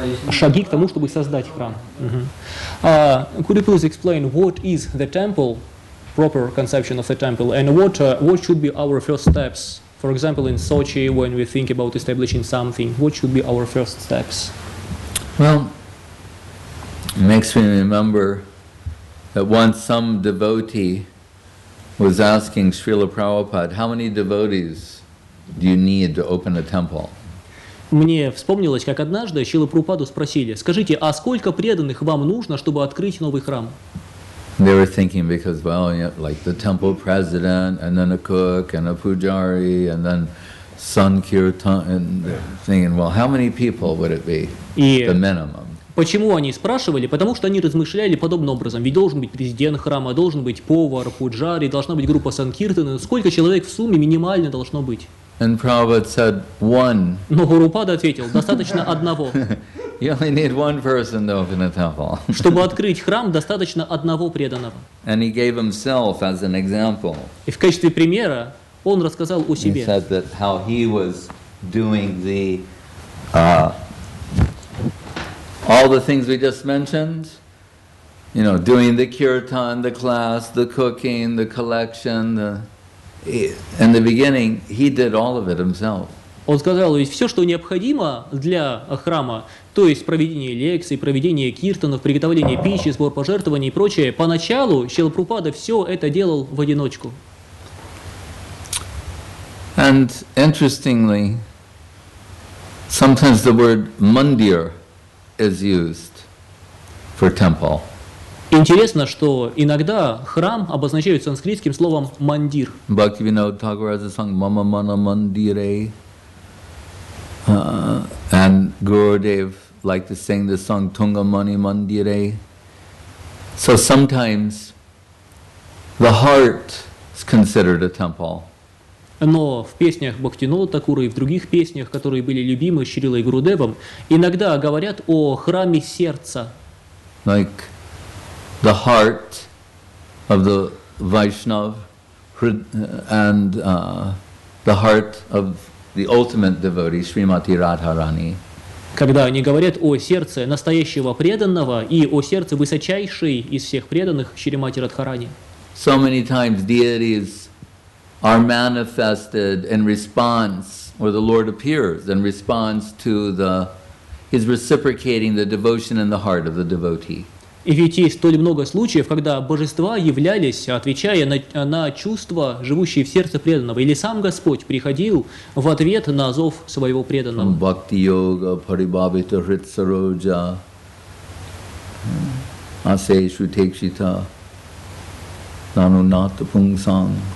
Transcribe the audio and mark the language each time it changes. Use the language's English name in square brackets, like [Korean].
[Russian] Шаги к тому, чтобы создать храм. [English] Could you please explain what is the temple? Proper conception of the temple, and what should be our first steps? For example, in Sochi, when we think about establishing something, what should be our first steps? Well, it makes me remember that once some devotee was asking Srila Prabhupada, how many devotees do you need to open a temple? [Russian] Мне вспомнилось, как однажды Шрила Прабхупаду спросили, скажите, а сколько преданных вам нужно, чтобы открыть новый храм? [English] They were thinking because, well, you know, like the temple president, and then a cook, and a pujari, and then Sankirtan, and thinking, well, how many people would it be, the minimum? [Russian] Почему они спрашивали? Потому что они размышляли подобным образом. Ведь должен быть президент храма, должен быть повар, пуджари, должна быть группа санкиртаны. Сколько человек в сумме минимально должно быть? [English] And Prabhupada said, one. [Russian] Но Гурупада ответил, достаточно одного. [English] You only need one person to open a temple. [Russian] Чтобы открыть храм, достаточно одного преданного. [English] And he gave himself as an example. [Russian] И в качестве примера он рассказал о себе. [English] He said that how he was doing the... all the things we just mentioned, you know, doing the kirtan, the class, the cooking, the collection, in the beginning, he did all of it himself. [Russian] Он сказал, ведь все, что необходимо для храма, то есть проведение лекций, проведение киртанов, приготовление пищи, сбор пожертвований и прочее, поначалу Шрила Прабхупада все это делал в одиночку. [English] And interestingly, sometimes the word mandir is used for temple. [Russian] Интересно, что иногда храм обозначают санскритским словом мандир. Бхактивинода Тхакура has a song Мама Мана Мандире. [English] And Gurudev liked to sing the song Tunga Mani Mandire. So sometimes the heart is considered a temple. [Russian] Но в песнях Бхактинода Такура и в других песнях, которые были любимы Шрилой Гурудевом, иногда говорят о храме сердца. [English] Like the heart of the Vaishnav and the heart of the ultimate devotee, Shrimati Radharani. [Russian] Когда они говорят о сердце настоящего преданного и о сердце высочайшей из всех преданных Шримати Радхарани. [English] So many times deities are manifested in response, or the Lord appears in response to the, he's reciprocating the devotion in the heart of the devotee. [Russian] И ведь есть столь много случаев, когда божества являлись, отвечая на чувства, живущие в сердце преданного, или сам Господь приходил в ответ на зов своего преданного. [Sanskrit] Бхакти-йога, парибабита, ритсароджа, асейшу текшита, нанунатта пунгсан.